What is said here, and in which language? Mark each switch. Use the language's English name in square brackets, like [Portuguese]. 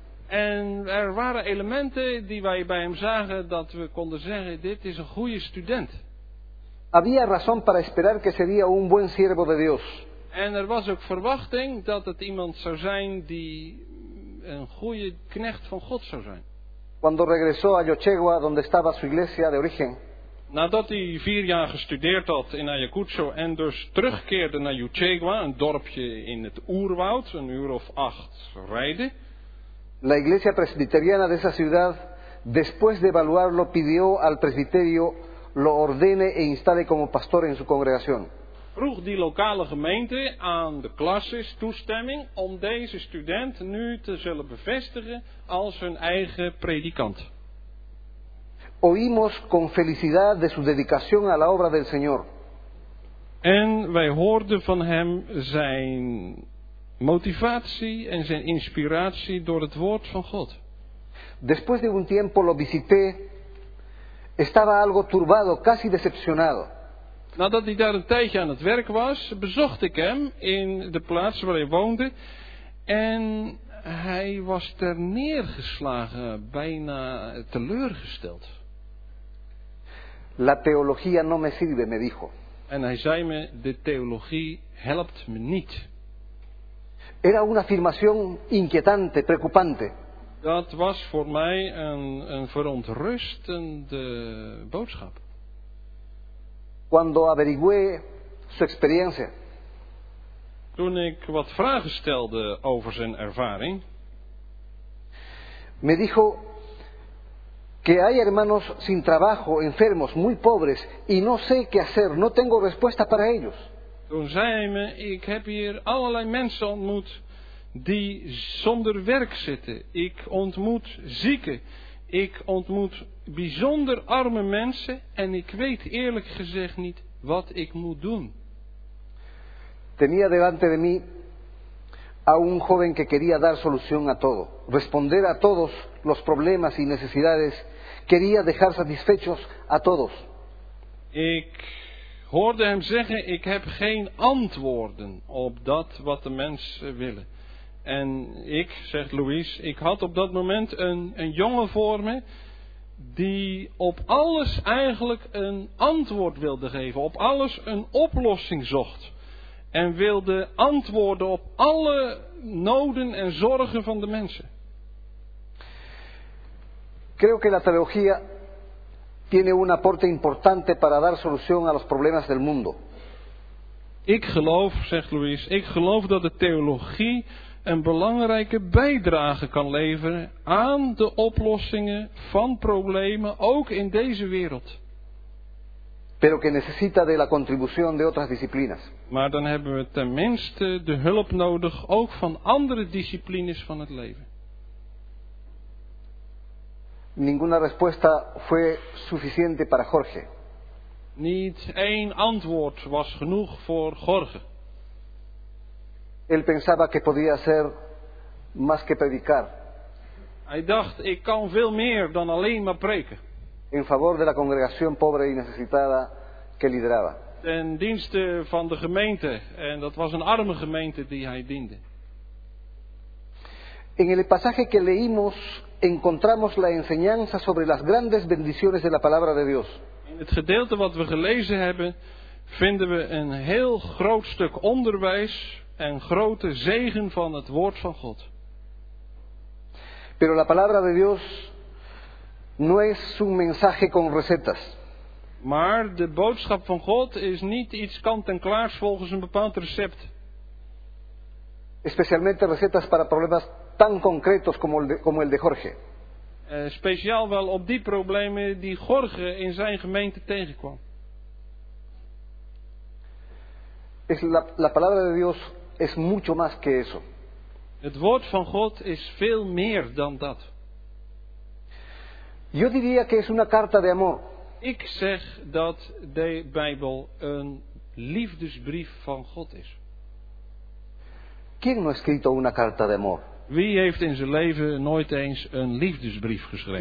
[Dutch] En er waren elementen die wij bij hem zagen dat we konden zeggen: dit is een goede student. [Spanish] Había razón para esperar que sería un buen siervo de Dios. [Dutch] En er was ook verwachting dat het iemand zou zijn die een goede knecht van God zou zijn. [Spanish] Cuando regresó a Yochegua, donde estaba su iglesia de origen. [Dutch] Nadat hij 4 jaar gestudeerd had in Ayacucho en dus terugkeerde naar Yochegua, een dorpje in het oerwoud, 1 uur of 8 rijden. [Spanish] La iglesia presbiteriana de esa ciudad, después de evaluarlo, pidió al presbiterio lo ordene e instale como pastor en su congregación. [Dutch] Vroeg die lokale gemeente aan de klasses toestemming om deze student nu te zullen bevestigen als hun eigen predikant. [Spanish] Oímos con felicidad de su dedicación a la obra del Señor. [Dutch] En wij hoorden van hem zijn motivatie en zijn inspiratie door het woord van God. [Spanish] Después de un tiempo lo visité, estaba algo turbado, casi decepcionado. [Dutch] Nadat hij daar een tijdje aan het werk was, bezocht ik hem in de plaats waar hij woonde. En hij was ter neergeslagen, bijna teleurgesteld. [Spanish] La teología no me sirve, me dijo. [Dutch] En hij zei me, de theologie helpt me niet. [Spanish] Era una afirmación inquietante, preocupante. [Dutch] Dat was voor mij een verontrustende boodschap. [Spanish] Cuando averigüé su experiencia. [Dutch] Toen ik wat vragen stelde over zijn ervaring. [Spanish] Me dijo que hay hermanos sin trabajo, enfermos, muy pobres, y no sé qué hacer, no tengo respuesta para ellos. [Dutch] Toen zei hij me, ik heb hier allerlei mensen ontmoet die zonder werk zitten. Ik ontmoet zieken. Ik ontmoet bijzonder arme mensen en ik weet eerlijk gezegd niet wat ik moet doen. [Spanish] Tenía delante de mí a un joven que quería dar solución a todo, responder a todos los problemas y necesidades, quería dejar satisfechos a todos. [Dutch] Ik hoorde hem zeggen, ik heb geen antwoorden op dat wat de mensen willen. En ik, zegt Luis, ik had op dat moment een jongen voor me die op alles eigenlijk een antwoord wilde geven, op alles een oplossing zocht. En wilde antwoorden op alle noden en zorgen van de mensen. [Spanish] Creo que la teología tiene un aporte importante para dar solución a los problemas del mundo. [Dutch] Ik geloof, zegt Luis, ik geloof dat de theologie een belangrijke bijdrage kan leveren aan de oplossingen van problemen, ook in deze wereld. [Spanish] Pero que necesita de la contribución de otras disciplinas. [Dutch] Maar dan hebben we tenminste de hulp nodig, ook van andere disciplines van het leven. [Spanish] Ninguna respuesta fue suficiente para Jorge. [Dutch] Niet één antwoord was genoeg voor Jorge. [Spanish] Él pensaba que podía hacer más que predicar. [Dutch] Hij dacht, ik kan veel meer dan alleen maar preken. [Spanish] En favor de la congregación pobre y necesitada que lideraba. [Dutch] Ten dienste van de gemeente, en dat was een arme gemeente die hij diende. [Spanish] En el pasaje que leímos encontramos la enseñanza sobre las grandes bendiciones de la palabra de Dios. [Dutch] In het gedeelte wat we gelezen hebben, vinden we een heel groot stuk onderwijs en grote zegen van het woord van God. [Spanish] Pero la palabra de Dios no es un mensaje con recetas. [Dutch] Maar de boodschap van God is niet iets kant en klaars volgens een bepaald recept. [Spanish] Especialmente recetas para problemas tan concretos como el de Jorge. [Dutch] Speciaal wel op die problemen die Jorge in zijn gemeente tegenkwam. [Spanish] Es la palabra de Dios es mucho más que eso. [Dutch] Het woord van God is veel meer dan dat. [Spanish] Yo diría que es una carta de amor. [Dutch] Ik zeg dat de Bijbel een liefdesbrief van God is. [Spanish] ¿Quién no ha escrito una carta de amor? [Dutch] Wie heeft in zijn leven nooit eens een liefdesbrief geschreven?